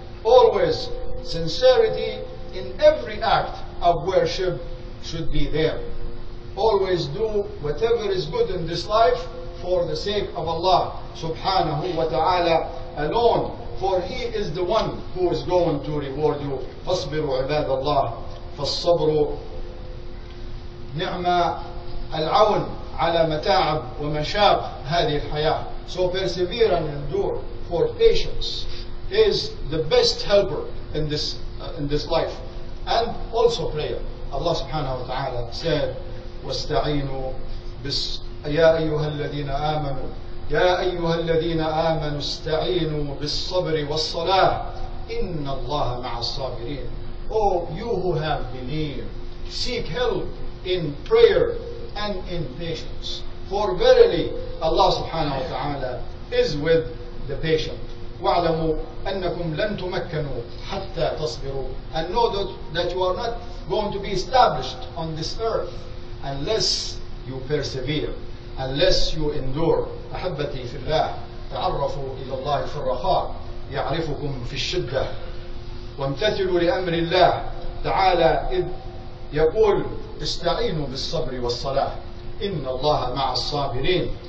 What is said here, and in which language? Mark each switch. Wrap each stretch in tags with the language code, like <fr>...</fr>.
<en>Always sincerity in every act of worship should be there. Always do whatever is good in this life for the sake of Allah subhanahu wa ta'ala alone. For he is the one who is going to reward you.</en> <ar>فاصبروا عباد الله فالصبروا نعمة العون على متاعب ومشاق هذه الحياة.</ar> <en>So persevere and endure for patience is the best helper in this life. And also prayer. Allah subhanahu wa ta'ala said,</en> <ar>واستعينوا بس يا أيها الذين آمنوا يا أيها الذين آمنوا استعينوا بالصبر والصلاة إن الله مع الصابرين.</ar> <en>Oh, you who have believed, seek help in prayer and in patience. For verily, Allah subhanahu wa ta'ala is with the patient.</en> <ar>واعلموا أنكم لن تمكنوا حتى تصبروا.</ar> <en>And know that you are not going to be established on this earth unless you persevere. Unless you endure.</en> <ar>أحبتي في الله تعرفوا إلى الله في الرخاء يعرفكم في الشدة وامتثلوا لأمر الله تعالى إذ يقول استعينوا بالصبر والصلاة إن الله مع الصابرين.</ar>